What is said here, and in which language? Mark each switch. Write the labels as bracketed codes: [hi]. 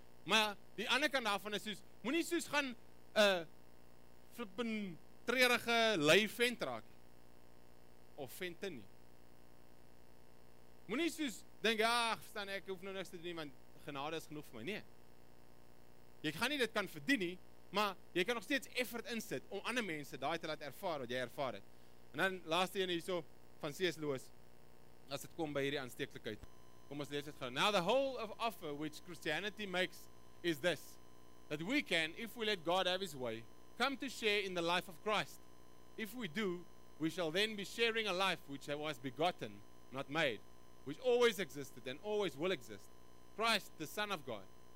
[af] Maar die ander kant daarvan is soos moenie soos gaan 'n flippin treurige lui vent raak of vente nie. Moenie soos dink, ag, verstaan ek, hoef nou niks te doen nie, want genade is genoeg vir my. Nee, jy gaan nie dit kan verdien nie, maar jy kan nog steeds effort insit om ander mense daai te laat ervaar wat jy ervaar het. En dan laaste een hierso van C.S. Lewis, as dit kom by hierdie aansteeklikheid, kom ons lees dit gou. [en] Now the whole of offer which Christianity makes is this: that we can, if we let God have his way, come to share in the life of Christ. If we do, we shall then be sharing a life which was begotten, not made, which always existed and always will exist, Christ, the Son of God.